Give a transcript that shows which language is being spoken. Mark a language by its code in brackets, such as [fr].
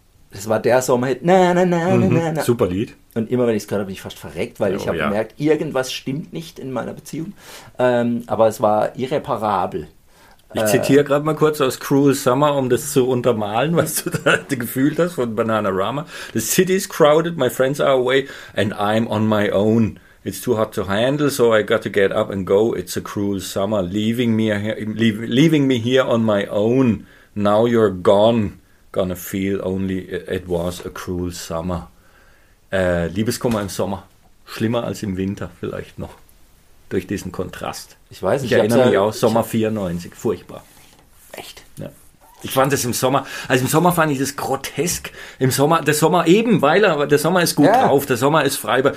[de] Das war der Sommerhit. Super Lied. Und immer, wenn ich es gehört habe, bin ich fast verreckt, weil ich habe gemerkt, irgendwas stimmt nicht in meiner Beziehung. Aber es war irreparabel. Ich zitiere gerade mal kurz aus Cruel Summer, um das zu untermalen, was du da gefühlt hast von Bananarama. [en] The city is crowded, my friends are away and I'm on my own. It's too hard to handle, so I got to get up and go. It's a cruel summer, leaving me here on my own. Now you're gone. Gonna feel only it was a cruel summer. [de] Liebeskummer im Sommer. Schlimmer als im Winter vielleicht noch. Durch diesen Kontrast. Ich weiß nicht. Ich erinnere mich auch, Sommer 94. Furchtbar. Echt? Ja. Ich fand das im Sommer, also im Sommer fand ich das grotesk. Im Sommer, der Sommer eben, weil der Sommer ist gut drauf, der Sommer ist frei.